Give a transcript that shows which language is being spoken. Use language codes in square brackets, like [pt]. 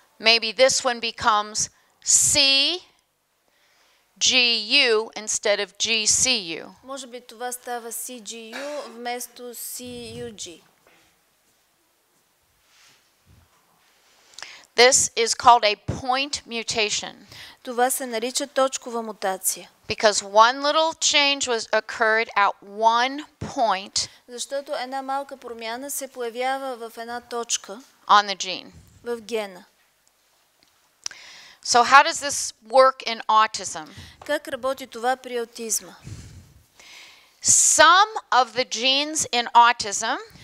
[en] Maybe this one becomes C G U instead of G C U. [bg] Може би това става C G U вместо C U G. [en] This is called a point mutation. [bg] Това се нарича точкова мутация. [en] Because one little change was occurred at one point. [bg] Защото една малка промяна се появява в една точка. [en] On the gene. [bg] В гена. [en] So how does this work in autism? [bg] Как работи това при аутизма? [en] Some of the genes in autism.